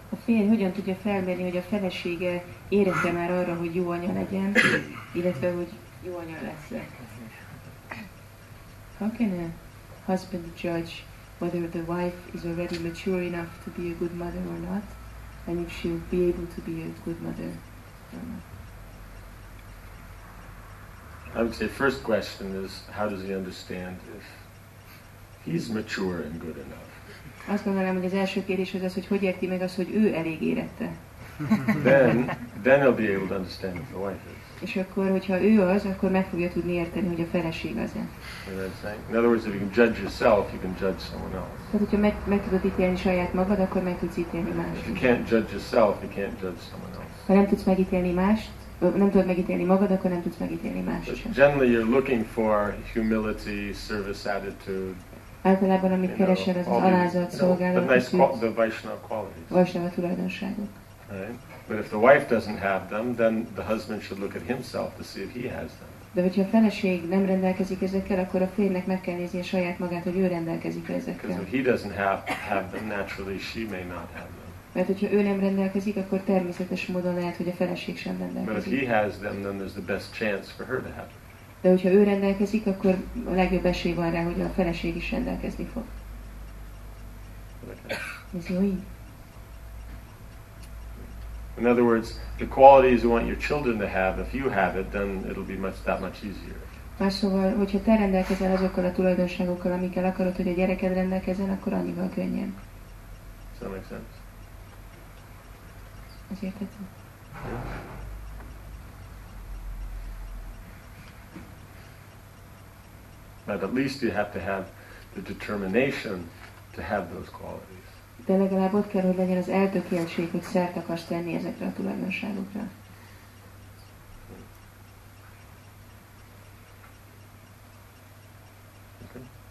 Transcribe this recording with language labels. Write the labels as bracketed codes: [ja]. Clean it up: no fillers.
[hu] Én hogyan tudja felmérni, hogy a felesége érezte már arra, hogy jó anya legyen, illetve hogy jó anya lesz-e? [en] How can a husband judge whether the wife is already mature enough to be a good mother or not, and if she will be able to be a good mother or not? I would say first question is, how does he understand if he's mature and good enough? [hu] Azt gondolom, hogy az első kérdés az, hogy hogy érti meg az, hogy ő elég érette. [en] Then he'll be able to understand if the wife is. [hu] És akkor, hogyha ő az, akkor meg fogja tudni érteni, hogy a feleség az-e. [en] In other words, if you can judge yourself, you can judge someone else. [hu] Tehát, hogyha meg tudod ítélni saját magad, akkor meg tudsz ítélni mást. [en] If you can't judge yourself, you can't judge someone else. [hu] Ha nem tudsz megítélni mást, nem tudod megítélni magad, akkor nem tudsz megítélni mást. [en] But generally, you're looking for humility, service attitude. [hu] Általában, amit keresel, az alázat, szolgálat, [en] the Vaishnava qualities. [hu] Vaishnava tulajdonságok. [en] But if the wife doesn't have them, then the husband should look at himself to see if he has them. [hu] De hogyha a feleség nem rendelkezik ezekkel, akkor a férjnek meg kell nézni a saját magát, hogy ő rendelkezik ezekkel. [en] Because if he doesn't have them, naturally she may not have them. [hu] Mert hogyha ő nem rendelkezik, akkor természetes módon lehet, hogy a feleség sem rendelkezik. [en] But if he has them, then there's the best chance for her to have them. [hu] De hogyha ő rendelkezik, akkor a legjobb esély van rá, hogy a feleség is rendelkezni fog. Ez jó így? [en] In other words, the qualities you want your children to have, if you have it, then it'll be that much easier. [hu] Más szóval, hogyha te rendelkezel azokkal a tulajdonságokkal, amikkel akarod, hogy a gyereked rendelkezzen, akkor annyival könnyen. [en] Does that make sense? [hu] Ez érthető? Yeah. [en] But at least you have to have the determination to have those qualities. [hu] De legalább ott kell, hogy legyen az eltökéltség, hogy szert akarsz tenni ezekre a tulajdonságokra. [en] Okay.